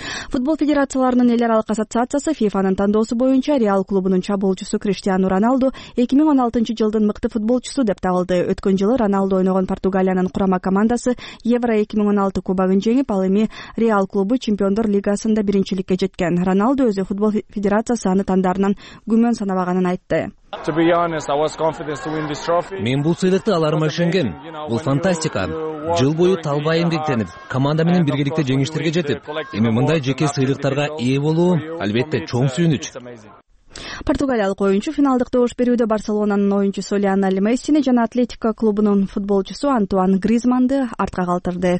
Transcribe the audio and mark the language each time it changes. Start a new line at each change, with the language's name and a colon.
Kyrgyz: Футбол федерацияларынын эл аралык ассоциациясы ФИФАнын тандоосу боюнча Реал клубунун чабуулчусу Криштиану Роналду 2016 жылдын мыкты футболчусу деп табылды. Өткөн жылы Роналду ойногон Португалиянын курама командасы Евро 2016 кубагын жеңип, ал эми Реал клубу Чемпиондор Лигасында биринчиликке жеткен. Роналду өзү футбол федерациясы аны тандарынан күмөн санабаганын айтты.
English: To be honest, I was confident to win this trophy.
Kyrgyz: Мен бул сыйлыкты аларыма ишенгем. Бул фантастика. Жыл бою талбай эмгектенип, команда менен биргеликте жеңиштерге жетип, эми мындай жеке сыйлыктарга ээ болуу албетте чоң сүйүнүч. Португалиялык оюнчу финалдык добуш берүүдө Барселонанын оюнчусу Лионель Мессини жана Атлетико клубунун футболчусу Антуан Гризманды артка калтырды.